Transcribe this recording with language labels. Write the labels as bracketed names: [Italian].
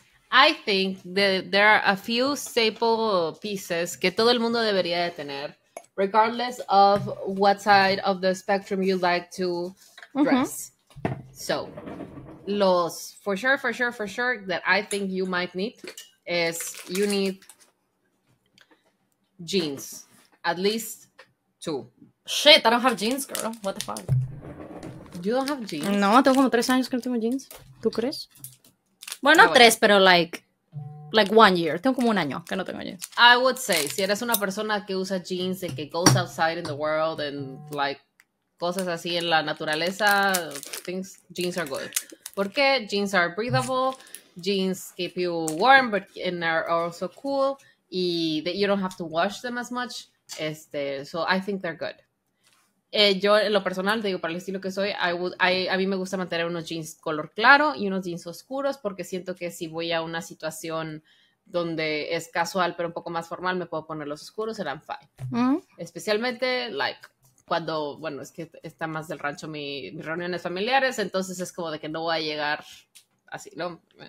[English] I think that there are a few staple pieces [Spanish] que todo el mundo debería de tener, [English] regardless of what side of the spectrum you like to dress. Mm-hmm. So, los for sure that I think you might need is you need jeans, at least two. Shit, I don't have jeans, girl. What the fuck? You don't have jeans? [Spanish] No, tengo como 3 años que no tengo jeans. ¿Tú crees? Bueno, no 3, pero [English] like 1 year. [Spanish] Tengo como un año que no tengo jeans. [English] I would say, [Spanish] si eres una persona que usa jeans y que [English] goes outside in the world and like [Spanish] cosas así en la naturaleza, [English] jeans are good. Porque jeans are breathable, jeans keep you warm but and are also cool, y that you don't have to wash them as much. So I think they're good. [Spanish] Yo en lo personal, digo, para el estilo que soy, a mí me gusta mantener unos jeans color claro y unos jeans oscuros, porque siento que si voy a una situación donde es casual pero un poco más formal, me puedo poner los oscuros, serán fine. Especialmente like cuando, bueno, es que está más del rancho mis reuniones familiares, entonces es como de que no voy a llegar así, ¿no?